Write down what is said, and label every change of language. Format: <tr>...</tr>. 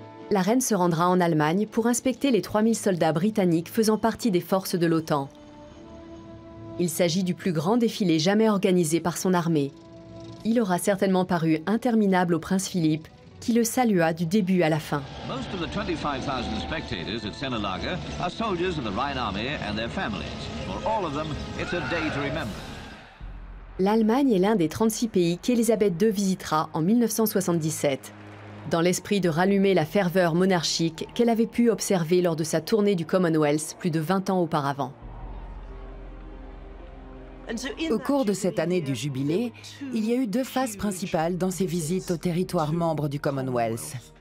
<fr>La reine se rendra en Allemagne pour inspecter les 3000 soldats britanniques faisant partie des forces de l'OTAN. Il s'agit du plus grand défilé jamais organisé par son armée. Il aura certainement paru interminable au prince Philippe, qui le salua du début à la fin.</fr> <en>Most of the 25,000 spectators at Cenelager are soldiers of the Rhine Army and their families. For all of them, it's a day to remember.</en> <fr>L'Allemagne est l'un des 36 pays qu'Elisabeth II visitera en 1977, dans l'esprit de rallumer la ferveur monarchique qu'elle avait pu observer lors de sa tournée du Commonwealth plus de 20 ans auparavant. Au cours de cette année du jubilé, il y a eu deux phases principales dans ces visites aux territoires membres du Commonwealth.</fr>